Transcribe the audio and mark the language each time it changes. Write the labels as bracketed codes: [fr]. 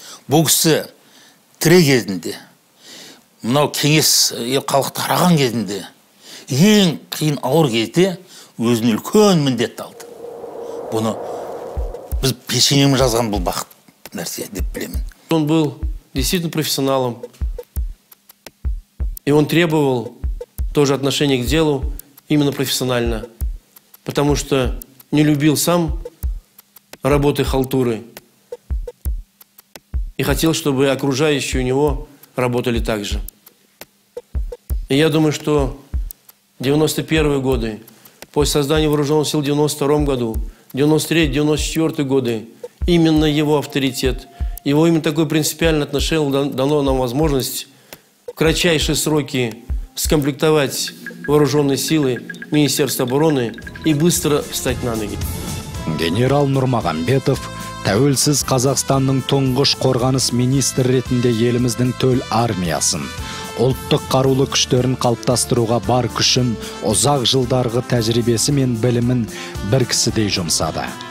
[kk] Бұл кісі тірі кезінде, мынау кеңес халық тараған кезінде, ең қиын ауыр кезде өзін үлкен міндетті алды. Бұны біз пешенемін жазған бұл бақыт нәрсе деп білемін. [ru] Он был действительно профессионалом. И он требовал тоже отношение к делу именно профессионально. Потому что не любил сам работы халтуры. И хотел, чтобы окружающие у него работали так же. И я думаю, что 91-е годы, после создания вооруженных сил в 92-м году, 93-94 годы, именно его авторитет, его именно такое принципиальное отношение дало нам возможность в кратчайшие сроки скомплектовать вооруженные силы Министерства обороны и быстро встать на ноги. [kk] Генерал Нұрмағанбетов тәуелсіз Қазақстанның тұңғыш қорғаныс министрі ретінде еліміздің төл армиясын, ұлттық қарулы күштерін қалыптастыруға бар күшін, ұзақ жылдарғы тәжірибесі мен білімін бір кісідей жұмсады.